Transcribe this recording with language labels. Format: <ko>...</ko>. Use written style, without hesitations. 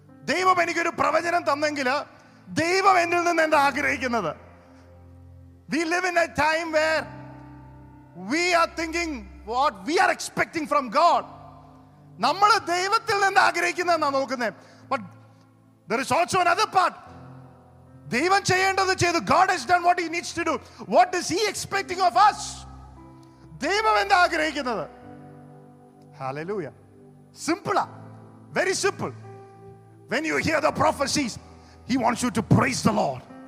<ml>ദൈവം എനിക്കൊരു പ്രവചനം തന്നെങ്കിൽ ദൈവം എന്നിൽ നിന്ന് എന്താ ആഗ്രഹിക്കുന്നത്?</ml> <en>We live in a time where we are thinking what we are expecting from God.</en> <ml>നമ്മൾ ദൈവത്തിൽ നിന്ന് ആഗ്രഹിക്കുന്നതെന്നാണ് നോക്കുന്നത്.</ml> <en>But there is also another part.</en> <ml>ദൈവം ചെയ്യേണ്ടത് ചെയ്തു.</ml> <en>God has done what he needs to do. What is he expecting of us?</en> <ml>ദൈവം എന്താ ആഗ്രഹിക്കുന്നത്?</ml> <en>Hallelujah. Simple. Very simple. When you hear the prophecies, he wants you to praise the Lord.</en>